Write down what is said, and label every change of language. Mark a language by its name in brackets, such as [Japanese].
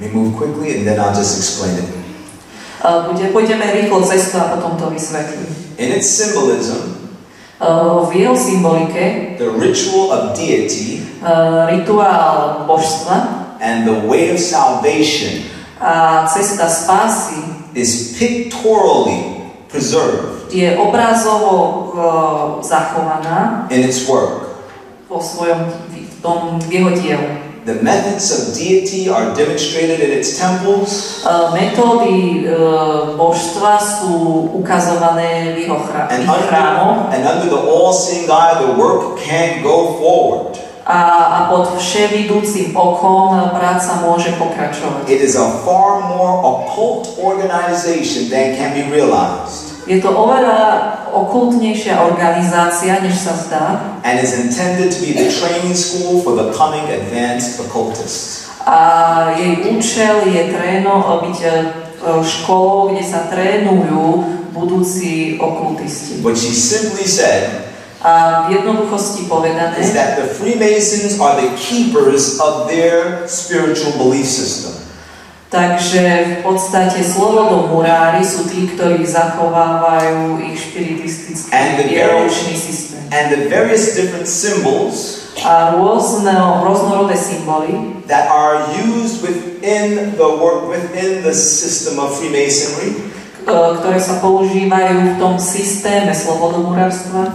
[English] We move quickly and then I'll just explain it. [Slovak] Pôjdeme rýchlo cestu a potom to vysvetlím. [English] In its symbolism, [Slovak] v jeho symbolike, [English] the ritual of deity, [Slovak] rituál božstva, [English] and the way of salvation, [Slovak] a cesta spásy, [English] is pictorially preserved, [Slovak] je obrazovo zachovaná, [English] in its work, [Slovak] vo svojom, v tom, v jeho dielu. [English] The methods of deity are demonstrated in its temples. [Slovak] Metódy božstva sú ukazované v jeho chrámoch. [English] And under the all-seeing eye, the work can go forward. [Slovak] A pod vševidúcim okom práca môže pokračovať. [English] It is a far more occult organization than can be realized. [Slovak] Je to oveľa okultnejšia organizácia, než sa zdá. [English] And is intended to be the training school for the coming advanced occultists. [Slovak] A jej účel je byť školou, kde sa trénujú budúci okultisti. [English] But she simply said, [Slovak] a v jednoduchosti povedané, [English] is that the Freemasons are the keepers of their spiritual belief system. [Slovak] Takže v podstate slobodomurári sú tí, ktorí zachovávajú ich špiritistický vieročný systém. [English] And the various different symbols [Slovak] a rôzne rôznorodé symboly [English] that are used within the work within the system of Freemasonry, [Slovak] ktoré sa používajú v tom systéme slobodomurárstva,